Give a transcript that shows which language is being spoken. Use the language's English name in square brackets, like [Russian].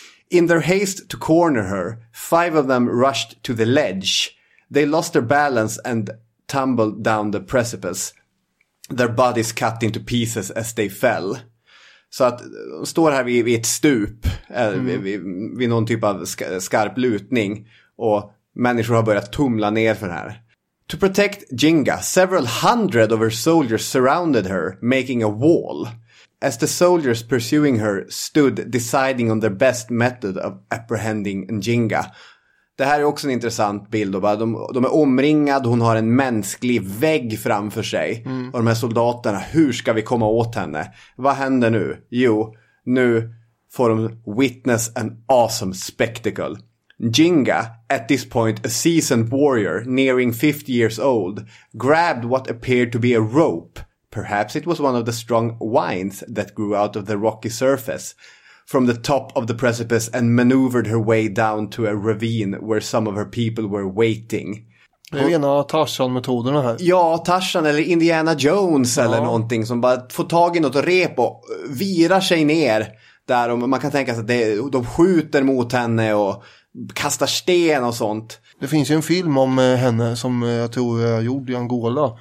[English] In their haste to corner her, five of them rushed to the ledge. They lost their balance and tumbled down the precipice. Their bodies cut into pieces as they fell. [Swedish] Så att de står här vid ett stup, vid någon typ av skarp lutning, och människor har börjat tumla ner för det här. [English] To protect Jinga, several hundred of her soldiers surrounded her, making a wall. As the soldiers pursuing her stood deciding on their best method of apprehending Jinga. [Swedish] Det här är också en intressant bild. De är omringade, hon har en mänsklig vägg framför sig. Mm. Och de här soldaterna, hur ska vi komma åt henne? Vad händer nu? Jo, nu får de [English] witness an awesome spectacle. Jinga, at this point a seasoned warrior, nearing 50 years old, grabbed what appeared to be a rope. Perhaps it was one of the strong vines that grew out of the rocky surface from the top of the precipice and maneuvered her way down to a ravine where some of her people were waiting. [Swedish] Det är en av Tarzan-metoderna här. Ja, Tarzan eller Indiana Jones eller någonting som bara får tag i något rep och virar sig ner där. Och man kan tänka sig att de skjuter mot henne och kastar sten och sånt. Det finns ju en film om henne som jag tror jag gjorde i Angola.